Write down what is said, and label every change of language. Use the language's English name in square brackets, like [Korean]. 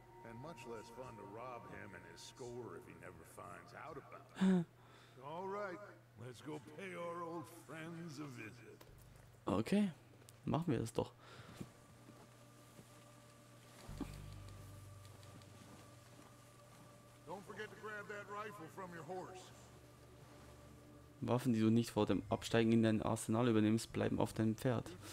[English] And much less fun to rob him and his score if he never finds out about it. All right, let's go pay our old friends a visit. [German] Okay, machen wir das doch. [English] Don't forget to grab that rifle from your horse. [German] Waffen, die du nicht vor dem Absteigen in dein Arsenal übernimmst, bleiben auf deinem Pferd.